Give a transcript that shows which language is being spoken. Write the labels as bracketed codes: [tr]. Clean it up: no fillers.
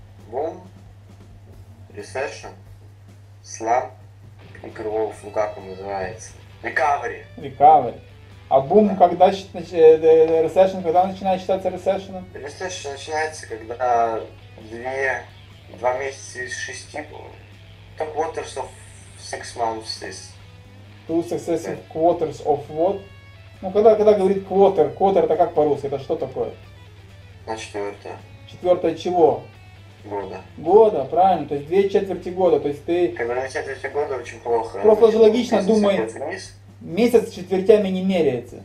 [ru] Бум, ресешн, слам и кровь, ну как он называется? Рекавери. Рекавери. А бум, да. Когда ресешн, когда начинает считаться ресешном? Ресешн начинается, когда два месяца из шести. [en] Two quarters of six months is. Two successive quarters of what? [ru] Ну, когда говорит квотер, квотер это как по-русски, это что такое? На четвертое. Четвертое чего? Года. Года, правильно, то есть две четверти года, то есть ты... Когда на четверти года очень плохо. Просто же логично, думай, месяц четвертями не меряется.